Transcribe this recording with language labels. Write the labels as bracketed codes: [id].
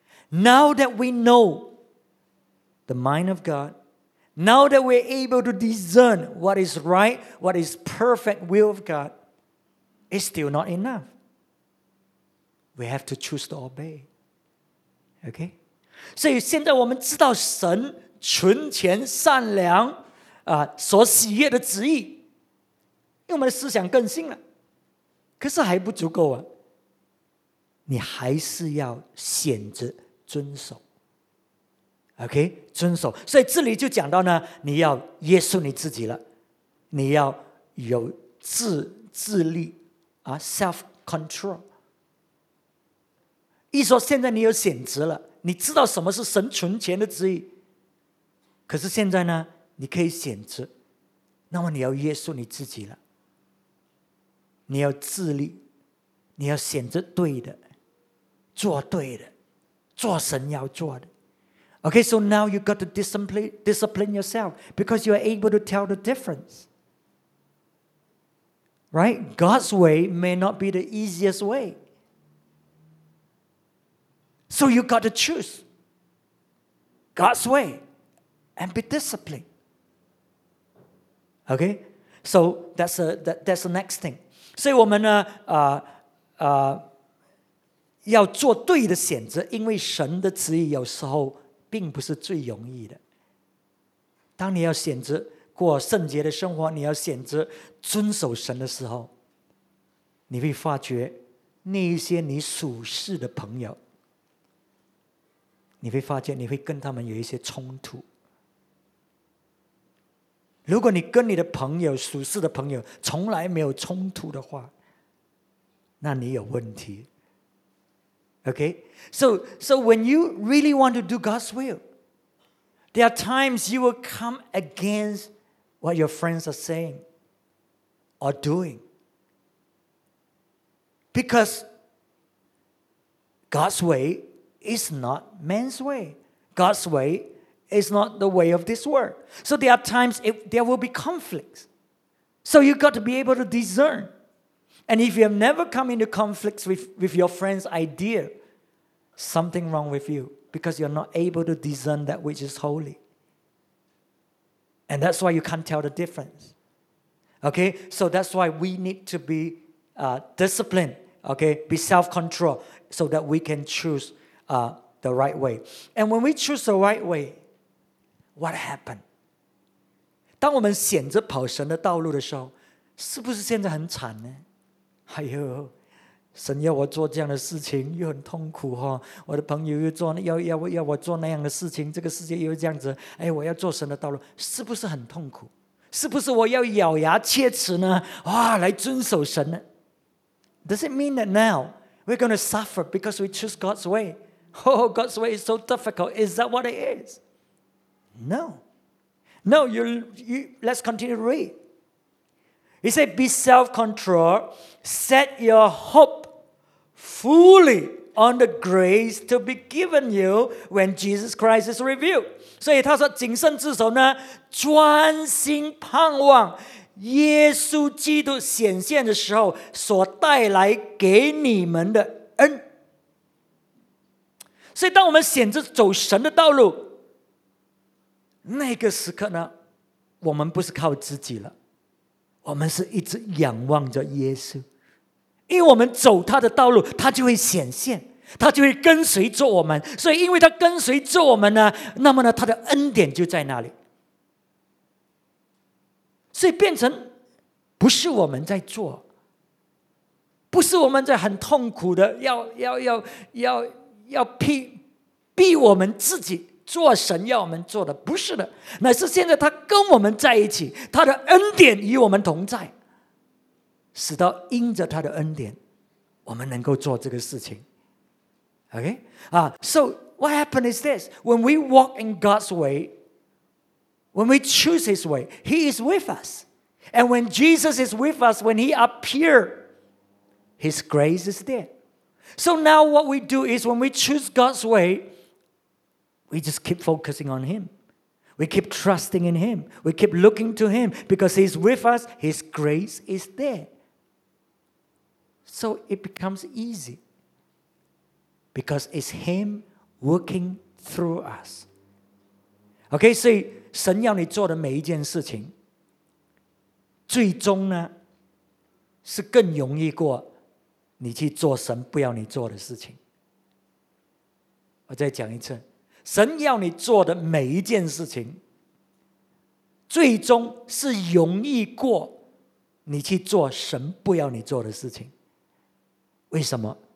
[en] Now that we know the mind of God, now that we're able to discern what is right, what is perfect will of God, it's still not enough. We have to choose to obey. Okay? [zh] 所以现在我们知道神纯全善良所喜悦的旨意，因为我们的思想更新了，可是还不足够啊，你还是要选择遵守。 OK， 遵守。所以这里就讲到呢，你要约束你自己了，你要有自律啊 ， [en] self control。 [zh] 一说现在你有选择了，你知道什么是神存钱的旨意，可是现在呢，你可以选择，那么你要约束你自己了，你要自律，你要选择对的，做对的，做神要做的。 [en] Okay, so now you've got to discipline yourself because you are able to tell the difference. Right? God's way may not be the easiest way. So you've got to choose God's way and be disciplined. Okay? So that's the next thing. [zh] 所以我们呢，要做对的选择，因为神的旨意有时候并不是最容易的。当你要选择过圣洁的生活，你要选择遵守神的时候，你会发觉那些你属世的朋友，你会发觉你会跟他们有一些冲突。如果你跟你的朋友，属世的朋友从来没有冲突的话，那你有问题。 [en] Okay, so when you really want to do God's will, there are times you will come against what your friends are saying or doing. Because God's way is not man's way. God's way is not the way of this world. So there are times there will be conflicts. So you've got to be able to discern. And if you have never come into conflicts with your friend's idea, something wrong with you because you're not able to discern that which is holy. And that's why you can't tell the difference. Okay? So that's why we need to be disciplined. Okay? Be self-control so that we can choose the right way. And when we choose the right way, what happened? [zh] 当我们选择跑神的道路的时候，是不是现在很惨呢？哎呦，神要我做这样的事情又很痛苦，我的朋友又做 要我做那样的事情，这个世界又这样子，哎，我要做神的道路是不是很痛苦？是不是我要咬牙切齿呢，哇，来遵守神呢？ [en] Does it mean that now we're going to suffer because we choose God's way? Oh, God's way is so difficult. Is that what it is? No. No, let's continue to read. He said, be self-controlled, set your hope fully on the grace to be given you when Jesus Christ is revealed. [zh] 所以他说谨慎自守呢，专心盼望耶稣基督显现的时候所带来给你们的恩。所以当我们选择走神的道路，那个时刻呢，我们不是靠自己了，我们是一直仰望着耶稣，因为我们走他的道路，他就会显现，他就会跟随着我们。所以因为他跟随着我们呢，那么呢，他的恩典就在那里。所以变成不是我们在做，不是我们在很痛苦的要逼我们自己做神要我们做的，不是的，乃是现在他跟我们在一起，他的恩典与我们同在，使到因着他的恩典，我们能够做这个事情。 [en] Okay? So what happened is this. When we walk in God's way, when we choose His way, He is with us. And when Jesus is with us, when He appeared, His grace is there. So now what we do is when we choose God's way, we just keep focusing on Him. We keep trusting in Him. We keep looking to Him because He's with us. His grace is there. So it becomes easy because it's Him working through us. [zh] Okay, 所以神要你做的每一件事情最终呢是更容易过你去做神不要你做的事情。我再讲一次，神要你做的每一件事情最终是容易过你去做神不要你做的事情。为什么？